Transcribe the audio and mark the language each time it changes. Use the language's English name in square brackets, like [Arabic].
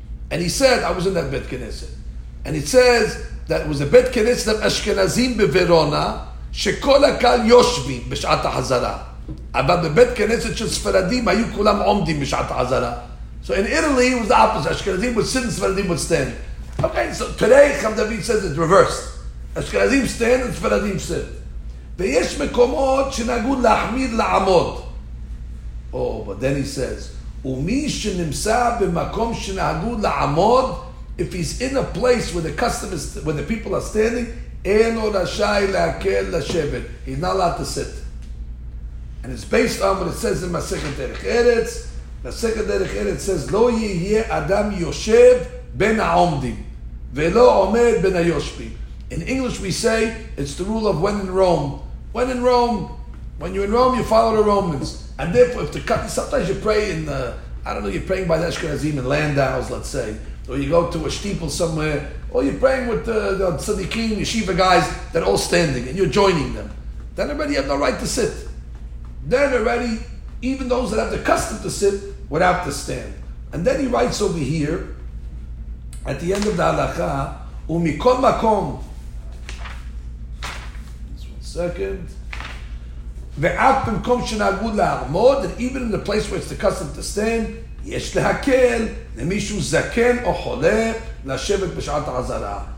[English] And he said, I was in that Bet Knesset. And it says that it was a Bet Knesset of Ashkenazim be Verona, [Hebrew] Shekol HaKal Yoshvi b'Shat HaHazara. [English] About the Bet Knesset of Sfaradim, [Hebrew] Hayu Kulam Omdim b'Shat HaHazara. [English] So in Italy, it was the opposite. Ashkenazim would sit and Sfaradim would stand. Okay, so today, Chaim David says it's reversed. Ashkenazim stand and Sfaradim sit. [Hebrew] ויש מקומות שנהגו להחמיד לעמוד. [English] Oh, but then he says, [Hebrew] ומי שנמצא במקום שנהגו לעמוד, [English] if he's in a place where the customers, where the people are standing, [Hebrew] אין עוד השי להקל לשבת. [English] He's not allowed to sit. And it's based on what it says in מסכת דרך ארץ. [Hebrew] מסכת דרך ארץ says, לא יהיה אדם יושב בין העומדים, ולא עומד בין היושבים. [English] In English we say, it's the rule of when in Rome. When in Rome, when you're in Rome, you follow the Romans. And therefore, if the custom, sometimes you pray in the, I don't know, you're praying by the Ashkenazim in Landau's, let's say. Or you go to a steeple somewhere. Or you're praying with the tzaddikim, yeshiva guys, that are all standing, and you're joining them. Then already you have no right to sit. Then already, even those that have the custom to sit, would have to stand. And then he writes over here, at the end of the halakha, [Hebrew] ומכל מקום, [English] second, [Hebrew] ואף במקום שנהגו לעמוד, [English] and even in the place where it's the custom to stand, [Hebrew] יש להקל למישהו זקן או חולה לשבת בשעת החזרה.